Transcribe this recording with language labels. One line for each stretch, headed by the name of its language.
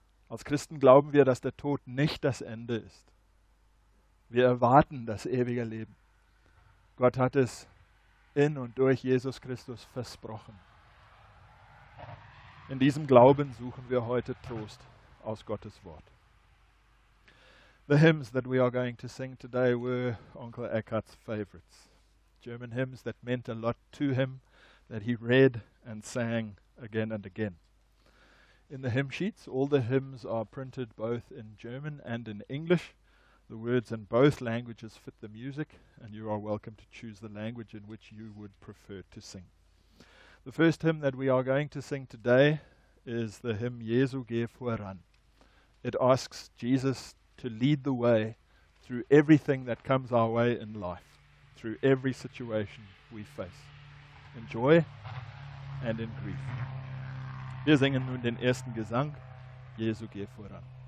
German: Als Christen glauben wir, dass der Tod nicht das Ende ist. Wir erwarten das ewige Leben. Gott hat es in und durch Jesus Christus versprochen. In diesem Glauben suchen wir heute Trost aus Gottes Wort.
English: The hymns that we are going to sing today were Uncle Eckhart's favorites. German hymns that meant a lot to him, that he read and sang again and again. In the hymn sheets, all the hymns are printed both in German and in English. The words in both languages fit the music, and you are welcome to choose the language in which you would prefer to sing. The first hymn that we are going to sing today is the hymn Jesu geh voran. It asks Jesus to lead the way through everything that comes our way in life, through every situation we face, in joy and in grief.
German: Wir singen nun den ersten Gesang, Jesu geh voran.